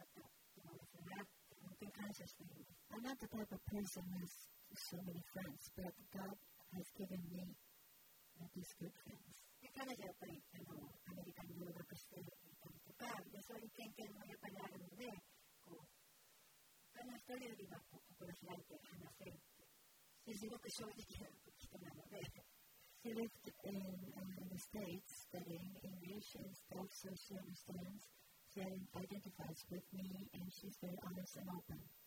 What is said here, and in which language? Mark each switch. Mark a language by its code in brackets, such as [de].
[en] I'm not the type of person who has so many friends, but God has given me these good friends. [ja] で、彼女はやっぱりアメリカに留学していたりとか、で、そういう経験もやっぱりあるので、こう、他の人よりは心開いて話せるって、すごく正直な人なので。 [en] She lived in the States, studying English and spoke social understandingShe identifies with me, and she's very honest and open.